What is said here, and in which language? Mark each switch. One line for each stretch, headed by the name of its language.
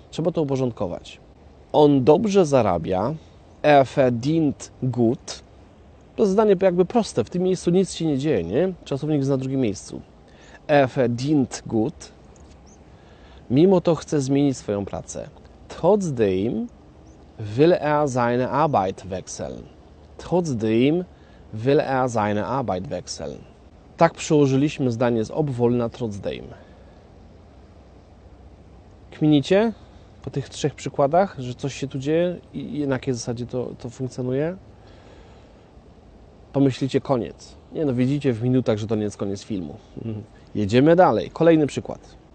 Polish: Trzeba to uporządkować. On dobrze zarabia,
German: er verdient gut.
Polish: To zdanie jakby proste, w tym miejscu nic się nie dzieje, nie? Czasownik jest na drugim miejscu.
German: Er verdient gut.
Polish: Mimo to chce zmienić swoją pracę.
German: Trotzdem will er seine Arbeit wechseln. Trotzdem will er seine Arbeit wechseln.
Polish: Tak przełożyliśmy zdanie z obwohl na trotzdem. Kminicie po tych trzech przykładach, że coś się tu dzieje i na jakiej zasadzie to funkcjonuje? Pomyślicie koniec. Nie no, widzicie w minutach, że to nie jest koniec filmu. Jedziemy dalej. Kolejny przykład.